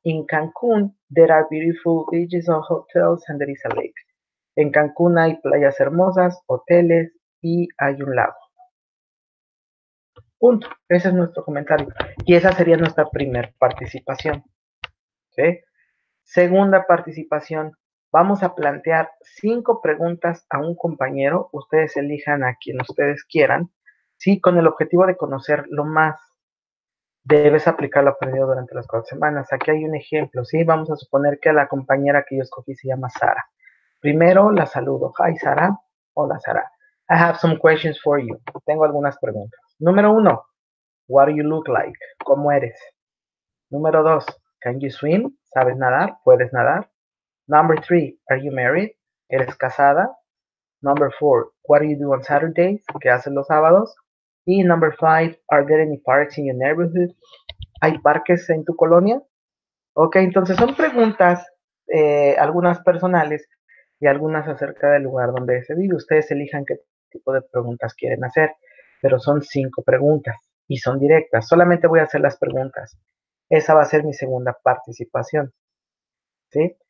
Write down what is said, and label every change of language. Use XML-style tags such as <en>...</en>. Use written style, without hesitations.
<en>In Cancún, there are beautiful beaches or hotels, and there is a lake.</en> <es>En Cancún hay playas hermosas, hoteles, y hay un lago. Punto. Ese es nuestro comentario. Y esa sería nuestra primera participación. ¿Sí? Segunda participación. Vamos a plantear 5 preguntas a un compañero. Ustedes elijan a quien ustedes quieran Sí, con el objetivo de conocer lo más debes aplicar lo aprendido durante las 4 semanas. Aquí hay un ejemplo, ¿sí? Vamos a suponer que la compañera que yo escogí se llama Sara. Primero la saludo.</es> <en>Hi, Sara.</en> <es>Hola, Sara.</es> <en>I have some questions for you.</en> <es>Tengo algunas preguntas. Número uno,</es> <en>what do you look like?</en> <es>¿Cómo eres? Número dos,</es> <en>can you swim?</en> <es>¿Sabes nadar? ¿Puedes nadar?</es> <en>Number three, are you married?</en> <es>¿Eres casada?</es> <en>Number four, what do you do on Saturdays?</en> <es>¿Qué haces los sábados?</es> <en>Y number five, are there any parks in your neighborhood?</en> <es>¿Hay parques en tu colonia? Ok, entonces son preguntas, algunas personales y algunas acerca del lugar donde se vive. Ustedes elijan qué tipo de preguntas quieren hacer, pero son 5 preguntas y son directas. Solamente voy a hacer las preguntas. Esa va a ser mi segunda participación, ¿sí?</es>